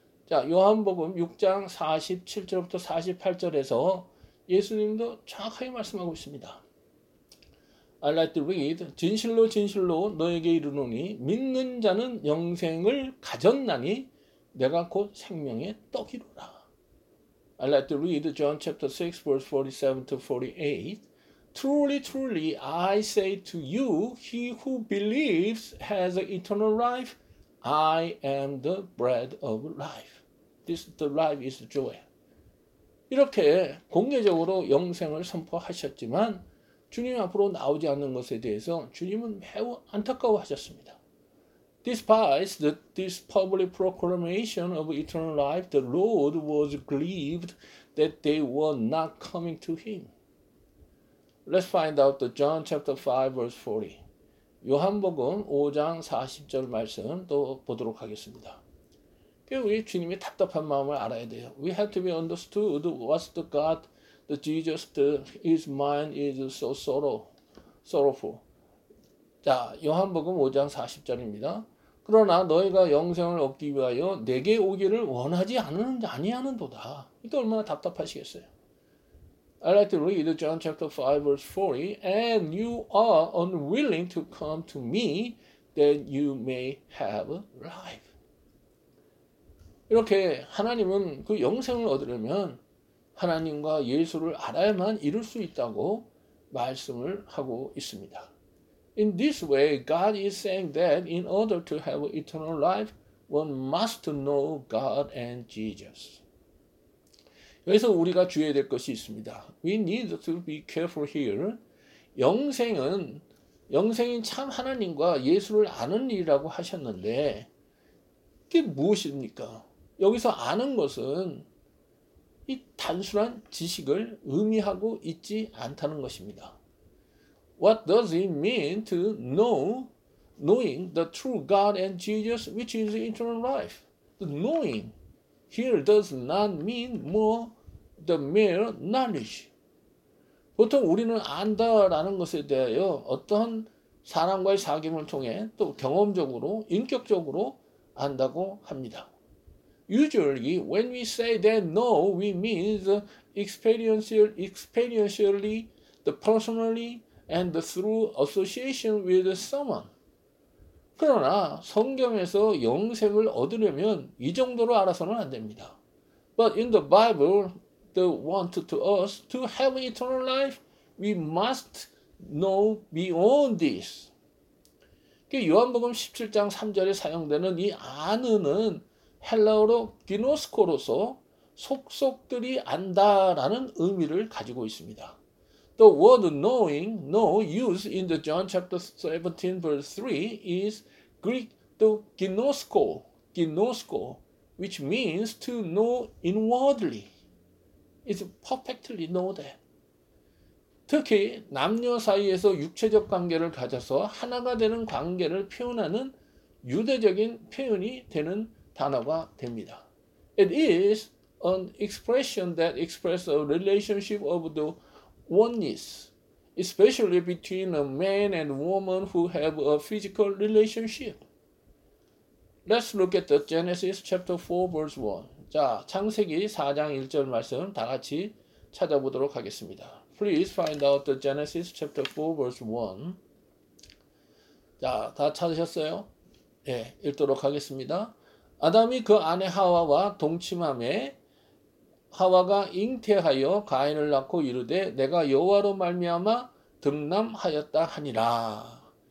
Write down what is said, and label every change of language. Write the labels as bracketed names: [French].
[Korean] 자, 요한복음 6장 47절부터 48절에서 예수님도 정확하게 말씀하고 있습니다. [English] I like to read. [Korean] 진실로 진실로 너에게 이르노니 믿는 자는 영생을 가졌나니 내가 곧 생명의 떡이로라. [English] I like to read John chapter 6, verse 47 to 48. Truly, truly, I say to you, he who believes has eternal life. I am the bread of life. This the life is joy. [Korean] 이렇게 공개적으로 영생을 선포하셨지만 주님 앞으로 나오지 않는 것에 대해서 주님은 매우 안타까워하셨습니다. [English] Despite this public proclamation of eternal life, the Lord was grieved that they were not coming to him. Let's find out the John chapter 5 verse 40. [Korean] 요한복음 5장 40절 말씀 또 보도록 하겠습니다. 우리 주님의 답답한 마음을 알아야 돼요. [English] We have to be understood what's the God, the Jesus, his mind is so sorrowful. [Korean] 자, 요한복음 5장 40절입니다. 그러나 너희가 영생을 얻기 위하여 내게 오기를 원하지 않은지 아니하는도다. 이게 얼마나 답답하시겠어요. [English] I like to read John chapter 5 verse 40, and you are unwilling to come to me that you may have life. [Korean] 이렇게 하나님은 그 영생을 얻으려면 하나님과 예수를 알아야만 이룰 수 있다고 말씀을 하고 있습니다. [English] In this way, God is saying that in order to have eternal life, one must know God and Jesus. [Korean] 여기서 우리가 주의해야 될 것이 있습니다. [English] We need to be careful here. [Korean] 영생인 참 하나님과 예수를 아는 일이라고 하셨는데 그게 무엇입니까? 여기서 아는 것은 이 단순한 지식을 의미하고 있지 않다는 것입니다. [English] What does it mean to knowing the true God and Jesus, which is eternal life? The knowing here does not mean more the mere knowledge. [Korean] 보통 우리는 안다라는 것에 대하여 어떤 사람과의 사귐을 통해 또 경험적으로, 인격적으로 안다고 합니다. [English] Usually, when we say that know, we mean experientially, the personally, and through association with someone. [Korean] 그러나 성경에서 영생을 얻으려면 이 정도로 알아서는 안 됩니다. [English] But in the Bible, the want to us to have eternal life, we must know beyond this. [Korean] 요한복음 17장 3절에 사용되는 이 아는은 헬라어로 기노스코로서 속속들이 안다라는 의미를 가지고 있습니다. [English] The word knowing, know used in the John chapter 17 verse 3 is Greek to ginosko, which means to know inwardly. It's perfectly know that. [Korean] 특히 남녀 사이에서 육체적 관계를 가져서 하나가 되는 관계를 표현하는 유대적인 표현이 되는 단어가 됩니다. [English] It is an expression that expresses a relationship of the oneness, especially between a man and woman who have a physical relationship. Let's look at the Genesis chapter 4 verse 1. [Korean] 자, 창세기 4장 1절 말씀 다 같이 찾아보도록 하겠습니다. [English] Please find out the Genesis chapter 4 verse 1. [Korean] 자, 다 찾으셨어요? 예, 네, 읽도록 하겠습니다. 아담이 그 아내 하와와 동침함에 하와가 잉태하여 가인을 낳고 이르되 내가 여호와로 말미암아 등남하였다 하니라.